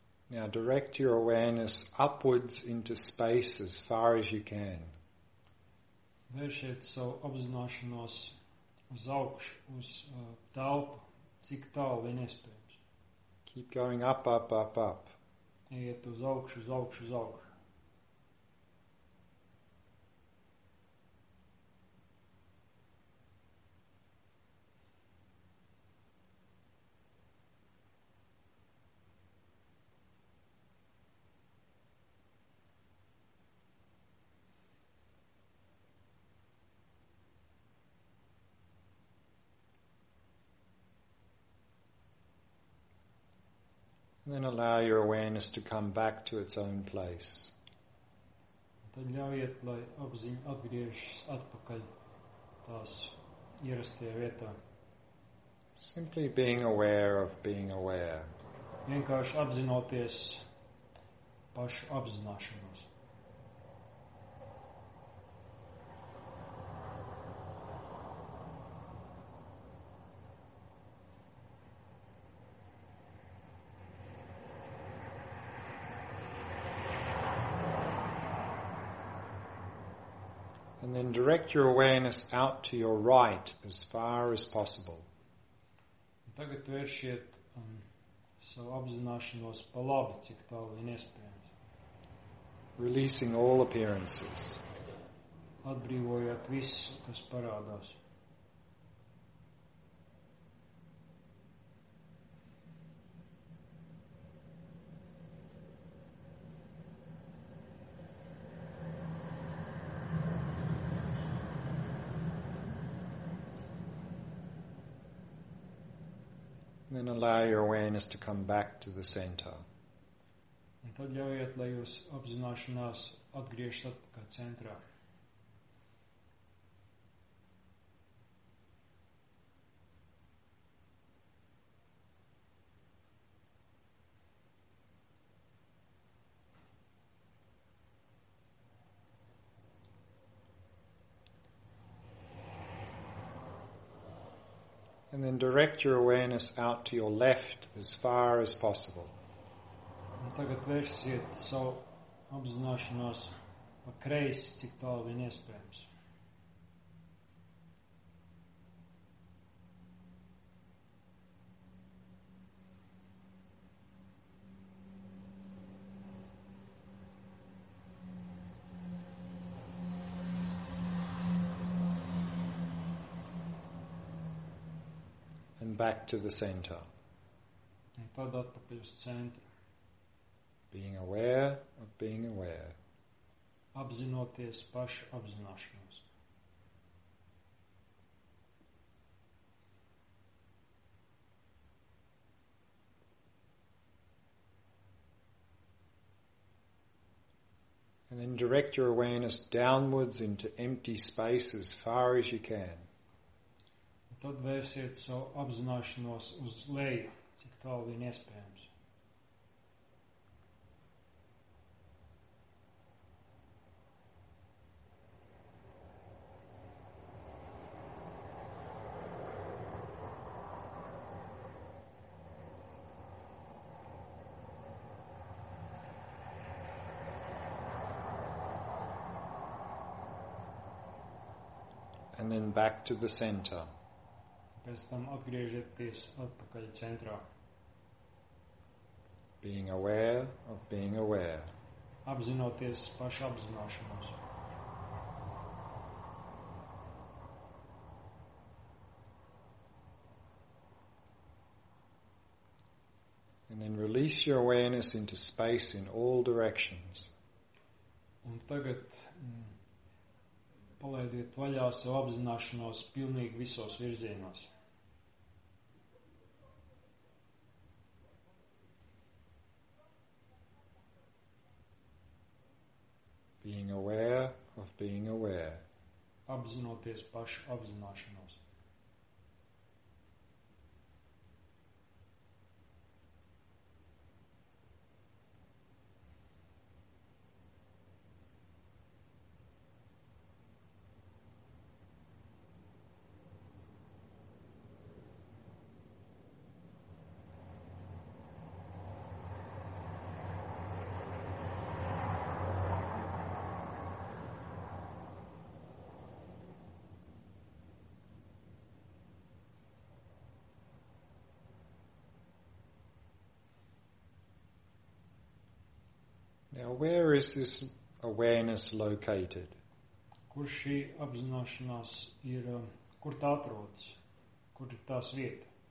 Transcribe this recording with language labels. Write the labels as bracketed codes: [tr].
[en] Now direct your awareness upwards into space as far as you can. [lv] Vēršiet savu apzināšanos uz augšu, uz telpu, cik tālu vien iespējams. [en] Keep going up, up, up, up. [lv] Ejiet uz augšu, uz augšu, uz augšu. [en] And then allow your awareness to come back to its own place. [lv] Tad ļaujiet, lai apziņa atgriežas atpakaļ tās ierastajā vietā. [en] Simply being aware of being aware. [lv] Vienkārši apzinoties pašu apzināšanos. [en] And then direct your awareness out to your right as far as possible. [lv] Tagad vēršiet savu apzināšanos pa labi, cik tālu vien iespējams. [en] Releasing all appearances. [lv] Atbrīvojot visu, kas parādās. [en] Then allow your awareness to come back to the center. [lv] Un tad ļaujiet, lai jūs apzināšanās atgriežas atpakaļ centrā. [en] And then direct your awareness out to your left as far as possible. [lv] Tagad vērsiet savu apzināšanos pa kreisi, cik tālu vien iespējams. [en] Back to the center. [lv] Un tad atpakaļ uz centru. [en] Being aware of being aware. [lv] apzinoties pašu apzināšanos. [en] And then direct your awareness downwards into empty space as far as you can. [lv] Tad vērsiet savu apzināšanos uz leju, cik tālu vien iespējams. [en] And then back to the center. [lv] Pēc tam atgriežieties atpakaļ centrā. [en] Being aware of being aware. [lv] Apzinoties pašu apzināšanos. [en] And then release your awareness into space in all directions. [lv] Un tagad palaidiet vaļā savu apzināšanos pilnīgi visos virzienos. [en] Being aware of being aware. [lv] Apzinoties pašu apzināšanos. [en] Now, where is this awareness located? [lv] Kur šī apzināšanās ir, kur tā atrodas, kur ir tās vieta?